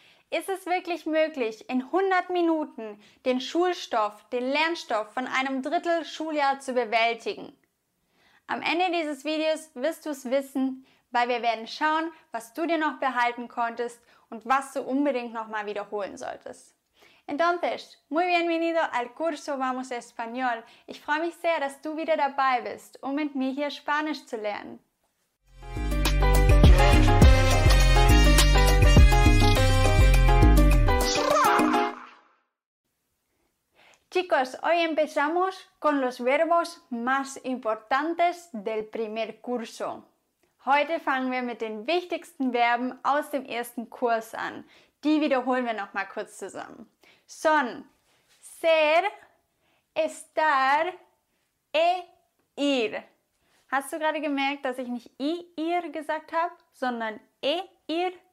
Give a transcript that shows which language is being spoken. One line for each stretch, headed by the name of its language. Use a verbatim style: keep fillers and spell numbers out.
German: Ist es wirklich möglich, in hundert Minuten den Schulstoff, den Lernstoff von einem Drittel Schuljahr zu bewältigen? Am Ende dieses Videos wirst du es wissen, weil wir werden schauen, was du dir noch behalten konntest und was du unbedingt nochmal wiederholen solltest.
Spanish: Entonces, muy bienvenido al curso Vamos Español.
German: Ich freue mich sehr, dass du wieder dabei bist, um mit mir hier Spanisch zu lernen.
Spanish: Chicos, hoy empezamos con los verbos más importantes del primer curso.
German: Heute fangen wir mit den wichtigsten Verben aus dem ersten Kurs an. Die wiederholen wir nochmal kurz zusammen. Son, ser, estar, e, ir. Hast du gerade gemerkt, dass ich nicht i, ir gesagt habe, sondern e, ir?